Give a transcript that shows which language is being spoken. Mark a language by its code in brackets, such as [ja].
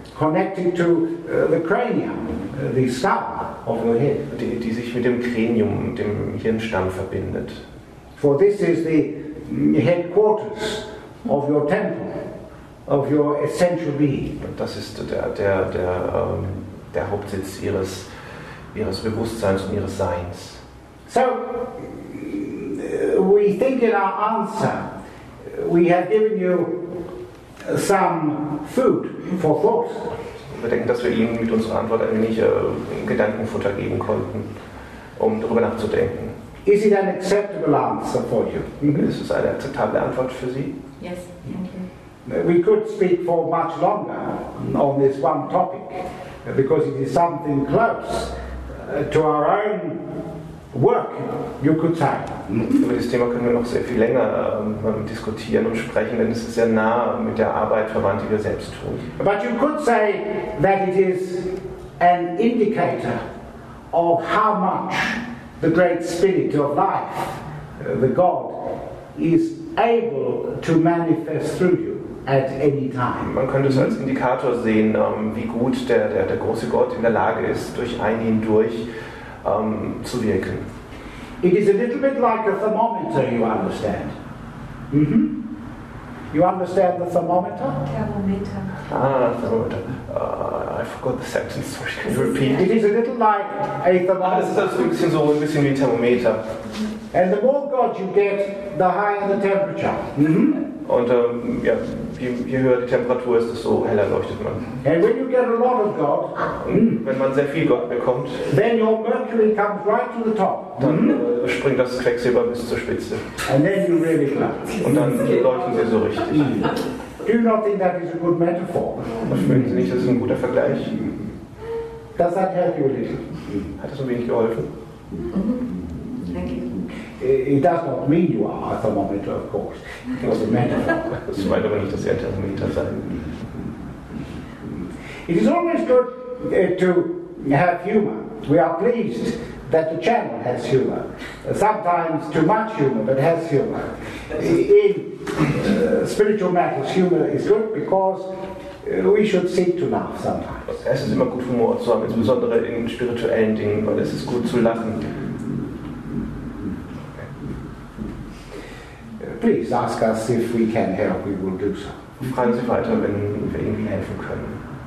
[en] Connecting to the cranium, the skull of your head. [de] Die sich mit dem Cranium, dem Hirnstamm verbindet. [en] For this is the headquarters of your temple. of your essential being. [de] Und das ist der Hauptsitz ihres Bewusstseins und ihres Seins. [en] So, we think in our answer, we have given you some food for thought. [de] Wir denken, dass wir Ihnen mit unserer Antwort ein wenig Gedankenfutter geben konnten, um darüber nachzudenken. [en] Is it an acceptable answer for you? [de] Ist es eine akzeptable Antwort für Sie? [en] Yes, thank you. We could speak for much longer on this one topic, because it is something close to our own work, you could say. [de] Über dieses Thema können wir noch sehr viel länger diskutieren und sprechen, denn es ist sehr nah mit der Arbeit verwandt, die wir selbst tun. [en] But you could say that it is an indicator of how much the great spirit of life, the God, is able to manifest through you at any time. [de] Man könnte es als Indikator sehen, wie gut der große Gott in der Lage ist, durch einen hindurch zu wirken. [en] It is a little bit like a thermometer, you understand. Mm-hmm. You understand the thermometer? Thermometer. Thermometer. I forgot the sentence, so can you repeat? It is a little like a thermometer. [de] Es ist also ein bisschen wie ein Thermometer. [en] And the more God you get, the higher the temperature. Mm-hmm. [de] Und je höher die Temperatur ist, desto heller leuchtet man. [en] And when you get a lot of God, [de] wenn man sehr viel Gott bekommt, [en] then your mercury comes right to the top. [de] Dann springt das Quecksilber bis zur Spitze. [en] And then you really glow. [de] Und dann leuchten sie so richtig. [en] Do you not think that is a good metaphor? [de] Finden Sie nicht, das ist ein guter Vergleich? [en] Does that help you a little? [de] Hat das ein wenig geholfen? [en] It does not mean you are a thermometer, of course. It was a metaphor. It is always good to have humor. We are pleased that the channel has humor. Sometimes too much humor, but has humor. In spiritual matters, humor is good because we should seek to laugh sometimes. [de] Es ist immer gut, Humor zu haben, insbesondere in spirituellen Dingen, weil es ist gut zu lachen. [en] Please ask us if we can help, we will do so. [de] Fragen Sie weiter, wenn wir Ihnen helfen können.